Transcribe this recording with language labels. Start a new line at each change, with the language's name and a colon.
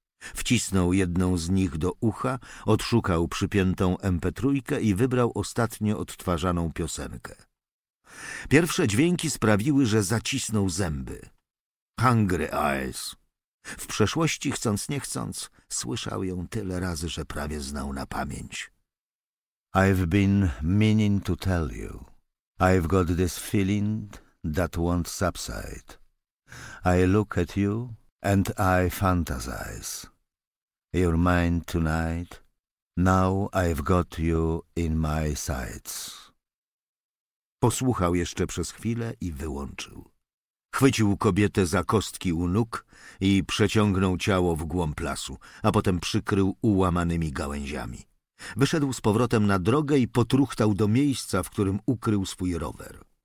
Polish: Wcisnął jedną z nich do ucha, odszukał przypiętą MP3 i wybrał ostatnio odtwarzaną piosenkę. Pierwsze dźwięki sprawiły, że zacisnął zęby.
English: Hungry Eyes.
Polish: W przeszłości, chcąc nie chcąc, słyszał ją tyle razy, że prawie znał na pamięć.
English: I've been meaning to tell you. I've got this feeling that won't subside. I look at you. And I fantasize. Your mind tonight. Now I've got you in my sights.
Polish: Posłuchał jeszcze przez chwilę i wyłączył. Chwycił kobietę za kostki u nóg i przeciągnął ciało w głąb lasu, a potem przykrył ułamanymi gałęziami. Wyszedł z powrotem na drogę i potruchtał do miejsca, w którym ukrył swój rower.